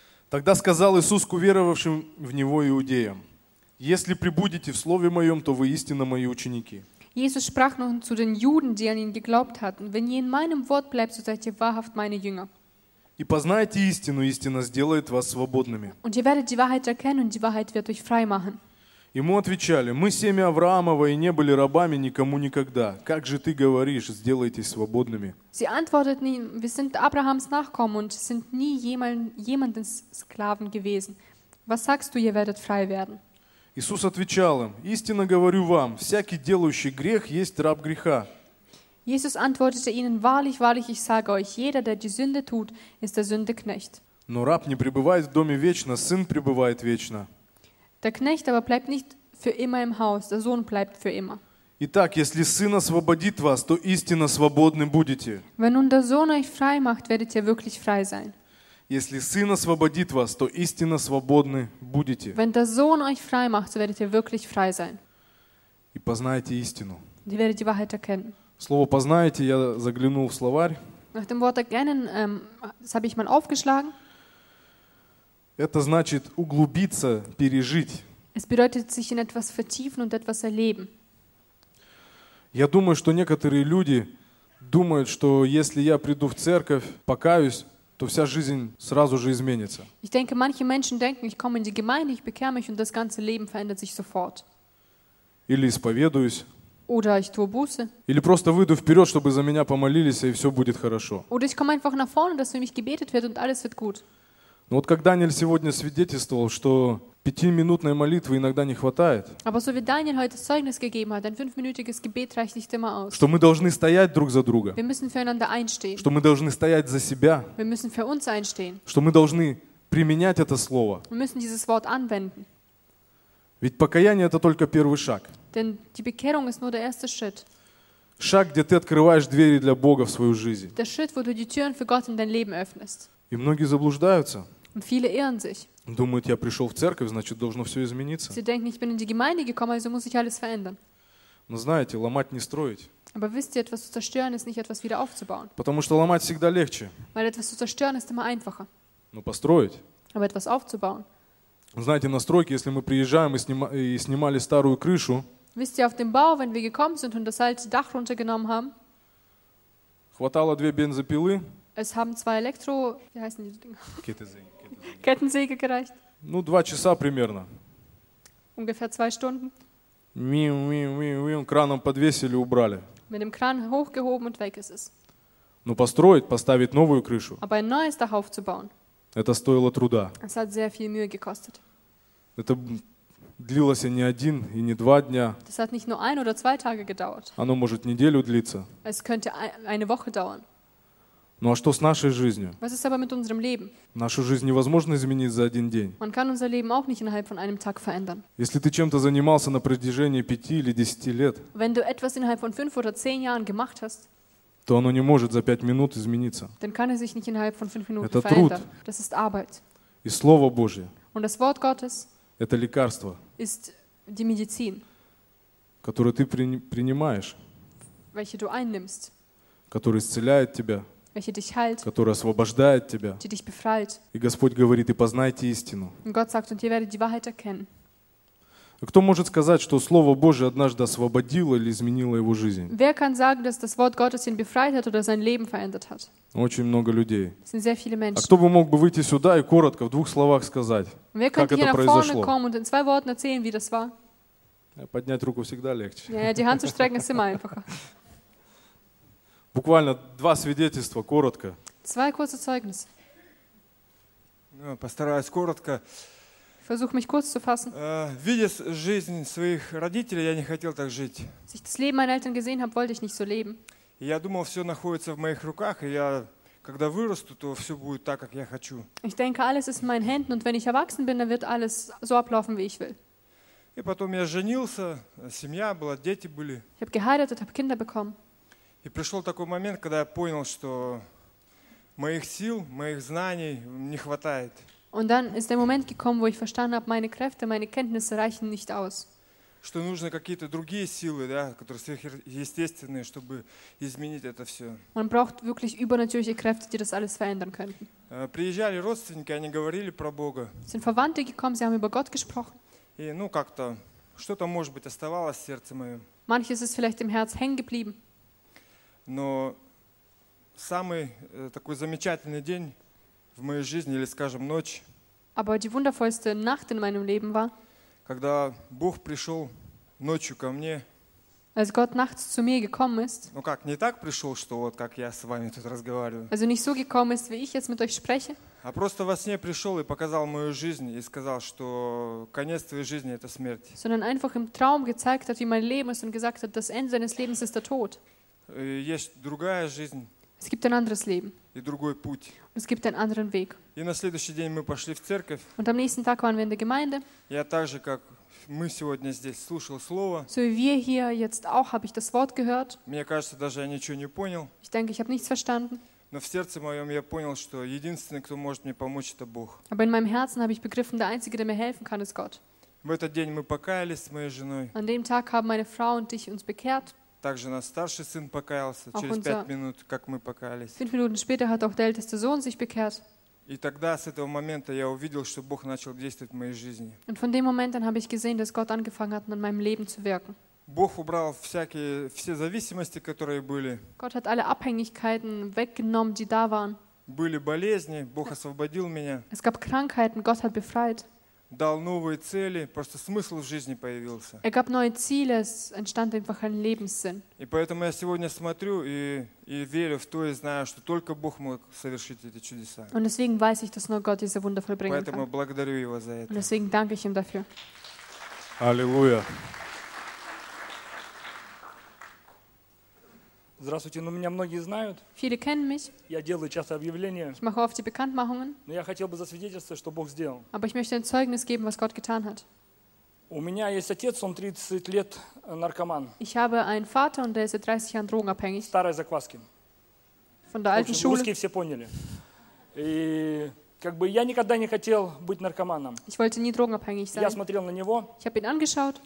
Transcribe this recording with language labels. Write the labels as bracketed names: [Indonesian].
[Russian] Тогда сказал Иисус к уверовавшим в Него иудеям, «Если пребудете в Слове Моем, то вы истинно Мои ученики». [German] Jesus sprach nun zu den Juden, die an ihn geglaubt hatten, wenn ihr in meinem Wort bleibt, so seid ihr wahrhaft meine Jünger. [Russian] И познайте истину, истина сделает вас свободными. [German] Und ihr werdet die Wahrheit erkennen und die Wahrheit wird euch frei machen. [Russian] Ему отвечали, мы семя Авраамова и не были рабами никому никогда. Как же ты говоришь, сделайтесь свободными? [German] Sie antworteten ihm, wir sind Abrahams Nachkommen und sind nie jemandes Sklaven gewesen. Was sagst du, ihr werdet frei werden? [Russian] Иисус отвечал им, истинно говорю вам, всякий делающий грех есть раб греха. [German] Jesus antwortete ihnen, wahrlich, wahrlich, ich sage euch, jeder, der die Sünde tut, ist der Sünde Knecht. [Russian] Но раб не пребывает в доме вечно, сын пребывает вечно. [German] Der Knecht aber bleibt nicht für immer im Haus, der Sohn bleibt für immer. [Russian] Итак, если сын освободит вас, то истинно свободны будете. [German] Wenn nun der Sohn euch frei macht, werdet ihr wirklich frei sein. [Russian] Если Сын освободит вас, то истинно свободны будете. [German] Wenn der Sohn euch frei macht, so werdet ihr wirklich frei sein. [Russian] И познаете истину. [German] Ihr werdet die Wahrheit erkennen. [Russian] Слово познаете, я заглянул в словарь. [German] Nach dem Wort erkennen, das habe ich mal aufgeschlagen. [Russian] Это значит углубиться, пережить. [German] Es bedeutet sich in etwas vertiefen und etwas erleben. [Russian] Я думаю, что некоторые люди думают, что если я приду в церковь, покаюсь, то вся жизнь сразу же изменится. [German] Ich denke, manche Menschen denken, ich komme in die Gemeinde, ich bekehre mich und das ganze Leben verändert sich sofort. [Russian] Или исповедуюсь. [German] Oder ich tue Buße. [Russian] Или просто выйду вперед, чтобы за меня помолились, и все будет хорошо. [German] Oder ich komme einfach nach vorne, dass für mich gebetet wird und alles wird gut. [Russian] Но вот как Даниэль сегодня свидетельствовал, что 5-минутной молитвы иногда не хватает. [German] Aber so wie Daniel heute Zeugnis gegeben hat, ein 5-minütiges Gebet reicht nicht immer aus. [Russian] Что мы должны стоять друг за друга. [German] Wir müssen füreinander einstehen. [Russian] Что мы должны стоять за себя. [German] Wir müssen für uns einstehen. [Russian] Что мы должны применять это слово. [German] Wir müssen dieses Wort anwenden. [Russian] Ведь покаяние это только первый шаг. [German] Denn die Bekehrung ist nur der erste Schritt. [Russian] Шаг, где ты открываешь двери для Бога в свою жизнь. [German] Der Schritt, wo du die Türen für Gott in dein Leben öffnest. [Russian] И многие заблуждаются. [German] Und viele irren sich. [Russian] Думают, я пришел в церковь, значит, должно все измениться. [German] Sie denken, ich bin in die Gemeinde gekommen, also muss ich alles verändern. [Russian] Но знаете, ломать не строить. [German] Aber wisst ihr, etwas zu zerstören ist nicht etwas wieder aufzubauen. [Russian] Потому что ломать всегда легче. [German] Weil etwas zu zerstören ist immer einfacher. [Russian] Но построить. [German] Aber etwas aufzubauen. [Russian] Знаете, на стройке, если мы приезжаем и снимали старую крышу. [German] Wisst ihr, auf dem Bau, wenn wir gekommen sind und das alte Dach runtergenommen haben? [Russian] Хватало две бензопилы. [German] Es haben zwei Elektro, wie heißen die Dinger? Kettensäge. Kettensäge gereicht. [Russian] Ну, 2 часа примерно. [German] Ungefähr 2 Stunden. [Russian] Ми-ми-ми-ми, краном подвесили, убрали. [German] Mit dem Kran hochgehoben und weg ist es. [Russian] Ну, построить, поставить новую крышу. [German] Aber ein neues Dach aufzubauen. [Russian] Это стоило труда. [German] Es hat sehr viel Mühe gekostet. [Russian] Это длилось не один и не два дня. [German] Das hat nicht nur ein oder zwei Tage gedauert. [Russian] Оно может неделю длиться. [German] Es könnte eine Woche dauern. [Russian] Ну а что с нашей жизнью? [German] Was ist aber mit unserem Leben? [Russian] Нашу жизнь невозможно изменить за один день. [German] Man kann unser Leben auch nicht innerhalb von einem Tag verändern. [Russian] Если ты чем-то занимался на протяжении 5 или 10 лет, [German] wenn du etwas innerhalb von 5 oder 10 Jahren gemacht hast, [Russian] то оно не может за 5 минут измениться. [German] Dann kann es sich nicht innerhalb von 5 Minuten [Russian] Это [German] verändern. [Russian] Труд. [German] Das ist Arbeit. [Russian] И Слово Божье. [German] Und das Wort Gottes. [Russian] Это лекарство, [German] ist die Medizin, [Russian] которое ты принимаешь, [German] welche du einnimmst, [Russian] которое исцеляет тебя, [German] welche dich heilt, [Russian] которое освобождает тебя, [German] die dich befreit. [Russian] И Господь говорит, и познайте истину. [German] Und Gott sagt, und ihr werdet die Wahrheit erkennen. [Russian] Кто может сказать, что Слово Божие однажды освободило или изменило его жизнь? [German] Wer kann sagen, dass das Wort Gottes ihn befreit hat oder sein Leben verändert hat? [Russian] Очень много людей. [German] Es sind sehr viele Menschen. [Russian] А кто бы мог бы выйти сюда и коротко в 2 словах сказать, [German] wer [Russian] как это [German] hier [Russian] произошло? [German] Nach vorne kommen und in 2 Worten erzählen, wie das war? [Russian] Поднять руку всегда легче. [German] Ja, die Hand zu strecken ist immer einfacher. [Russian] Буквально 2 свидетельства, коротко. [German] 2 kurze Zeugnisse. [Russian] Ja, постараюсь коротко. [German] Versuch mich kurz zu fassen. [Russian] Видя жизнь своих родителей, я не хотел так жить. [German] Als ich das Leben meiner Eltern gesehen habe, wollte ich nicht so leben. [Russian] Я думал, все находится в моих руках, и я, когда вырасту, то все будет так, как я хочу. [German] Ich denke, alles ist in meinen Händen, und wenn ich erwachsen bin, dann wird alles so ablaufen, wie ich will. [Russian] И потом я женился, семья была, дети были. [German] Ich habe geheiratet, habe Kinder bekommen. [Russian] И пришел такой момент, когда я понял, что моих сил, моих знаний не хватает. [German] Und dann ist der Moment gekommen, wo ich verstanden habe, meine Kräfte, meine Kenntnisse reichen nicht aus. [Russian] Что нужны какие-то другие силы, да, которые сверхъестественные, чтобы изменить это все. [German] Man braucht wirklich übernatürliche Kräfte, die das alles verändern könnten. [Russian] Приезжали родственники, они говорили про Бога. [German] Sind Verwandte gekommen, sie haben über Gott gesprochen. [Russian] И, ну, как-то, что-то, может быть, оставалось в сердце моем. [German] Manches ist vielleicht im Herz hängen geblieben. [Russian] Но самый такой замечательный день в моей жизни, или, скажем, ночь. [German] Aber die wundervollste Nacht in meinem Leben war, [Russian] когда Бог пришел ночью ко мне. [German] Als Gott nachts zu mir gekommen ist. [Russian] Ну как, не так пришел, что вот как я с вами тут разговариваю. [German] Also nicht so gekommen ist, wie ich jetzt mit euch spreche. [Russian] А просто во сне пришел и показал мою жизнь и сказал, что конец твоей жизни это смерть. [German] Sondern einfach im Traum gezeigt hat, wie mein Leben ist und gesagt hat, das Ende seines Lebens ist der Tod. [Russian] Есть другая жизнь. [German] Es gibt ein anderes Leben. [Russian] И другой путь. [German] Und es gibt einen anderen Weg. [Russian] И на следующий день мы пошли в церковь. [German] Und am nächsten Tag waren wir in der Gemeinde. [Russian] Я так же, как мы сегодня здесь, слушал слово. [German] So wie wir hier jetzt auch, habe ich das Wort gehört. [Russian] Мне кажется, даже я ничего не понял. [German] Ich denke, ich habe nichts verstanden. [Russian] Но в сердце моем я понял, что единственный, кто может мне помочь, это Бог. [German] Aber in meinem Herzen habe ich begriffen, der Einzige, der mir helfen kann, ist Gott. [Russian] В этот день мы покаялись с моей женой. [German] An dem Tag haben meine Frau und ich uns bekehrt. [Russian] Также наш старший сын покаялся [German] auch [Russian] через 5 минут, как мы покаялись. [German] 5 Minuten später hat auch der älteste Sohn sich bekehrt. [Russian] И тогда с этого момента я увидел, что Бог начал действовать в моей жизни. [German] Und von dem Moment an habe ich gesehen, dass Gott angefangen hat, in meinem Leben zu wirken. [Russian] Бог убрал все зависимости, которые были. [German] Gott hat alle Abhängigkeiten weggenommen, die da waren. [Russian] Были болезни, Бог освободил меня. [German] Es gab Krankheiten, Gott hat befreit. [Russian] Дал новые цели, просто смысл в жизни появился. [German] Er gab neue Ziele, es entstand einfach ein Lebenssinn. [Russian] И поэтому я сегодня смотрю и верю в то и знаю, что только Бог мог совершить эти чудеса. [German] Und deswegen weiß ich, dass nur Gott diese Wunder vollbringen kann. [Russian] Поэтому благодарю его за это. [German] Und deswegen danke ich ihm dafür. [Russian] Аллилуйя. Здравствуйте, ну меня многие знают. [German] Viele kennen mich. [Russian] Я делаю часто объявления. [German] Ich mache oft die Bekanntmachungen. [Russian] Но я хотел бы засвидетельствовать, что Бог сделал. [German] Aber ich möchte ein Zeugnis geben, was Gott getan hat. [Russian] У меня есть отец, он 30 лет наркоман. [German] Ich habe einen Vater und der ist seit 30 Jahren drogenabhängig. [Russian] Старой закваски. [German] Von der alten Schule. [Russian] Русские все поняли. И как бы я никогда не хотел быть наркоманом. [German] Ich wollte nie drogenabhängig sein. [Russian] Я смотрел на него. [German] Ich habe ihn angeschaut.